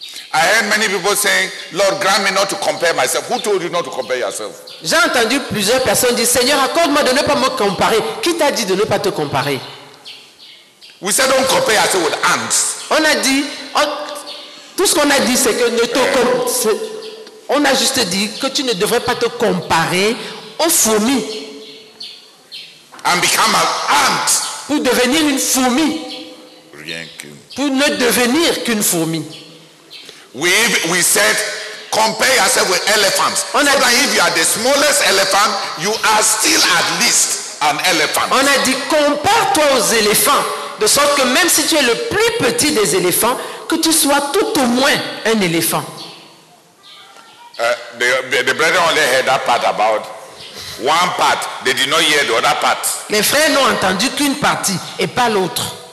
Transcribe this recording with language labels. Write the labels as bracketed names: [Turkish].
[English] I heard many people saying, Lord, grant me not to compare myself. Who told you not to compare yourself? [French] J'ai entendu plusieurs personnes dire, Seigneur, accorde-moi de ne pas me comparer. Qui t'a dit de ne pas te comparer? [English] We said don't compare yourself with ants. [French] On a dit, tout ce qu'on a dit, c'est que ne te on a juste dit que tu ne devrais pas te comparer aux fourmis. [English] And become an ant. [French] Pour devenir une fourmi. Rien qu'une. Pour ne devenir qu'une fourmi. [English] We said compare yourself with elephants. [French] On a [English] so [French] dit, [English] that if you are the smallest elephant, you are still at least an elephant. [French] On a dit compare-toi aux éléphants. De sorte que même si tu es le plus petit des éléphants, que tu sois tout au moins un éléphant. [English] The brethren only heard that part about one part. They did not hear the other part. [French] Les frères n'ont entendu qu'une partie et pas l'autre.